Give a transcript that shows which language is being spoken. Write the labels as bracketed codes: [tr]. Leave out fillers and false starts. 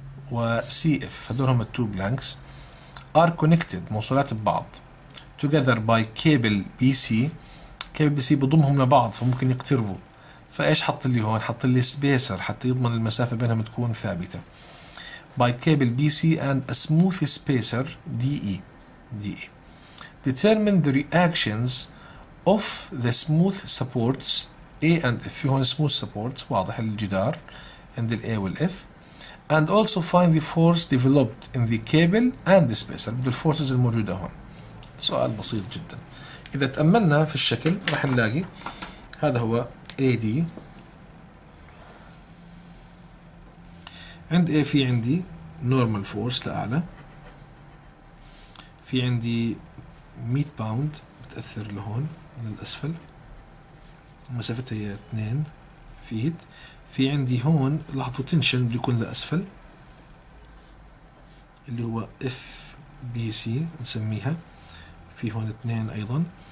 [ar] و C F، هذول هم التو بلانكس [en] are connected، [ar] موصولات ببعض [en] together by cable PC، [ar] cable PC بضمهم لبعض فممكن يقتربوا، فايش حط اللي هون؟ حط اللي سبيسر حتى يضمن المسافة بينهم تكون ثابتة، [en] by cable PC and a smooth spacer DE. determine the reactions of the smooth supports A and F، [ar] في هون smooth supports واضح الجدار عند ال A وال F، [en] and also find the force developed in the cable and the spacer، [ar] بده الفورسز الموجوده هون. سؤال بسيط جدا، اذا تاملنا في الشكل راح نلاقي هذا هو AD، عند A في عندي normal force لاعلى، في عندي 100 باوند بتاثر لهون من الاسفل، مسافتها هي 2 فيت، في عندي هون لاحظوا تنشن بيكون لاسفل اللي هو اف بي سي نسميها، في هون اثنين ايضا،